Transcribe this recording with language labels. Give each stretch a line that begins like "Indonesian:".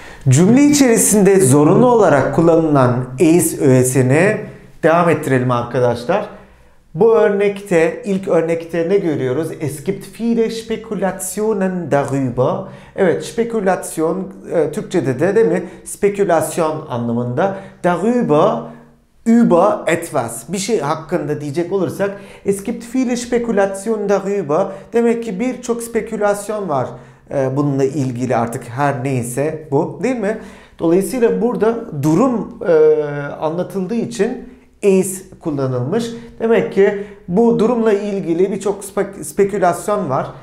Turkish: Cümle içerisinde zorunlu olarak kullanılan is öğesini devam ettirelim arkadaşlar. Bu örnekte, ilk örnekte ne görüyoruz?
German: Es gibt viele Spekulationen darüber.
Turkish: Evet, spekülasyon Türkçe'de de değil mi? Spekülasyon anlamında.
German: Darüber, über etwas.
Turkish: Bir şey hakkında diyecek olursak.
German: Es gibt viele Spekulationen darüber.
Turkish: Demek ki birçok spekülasyon var. Bununla ilgili artık her neyse bu, değil mi? Dolayısıyla burada durum anlatıldığı için is kullanılmış. Demek ki bu durumla ilgili birçok spekülasyon var.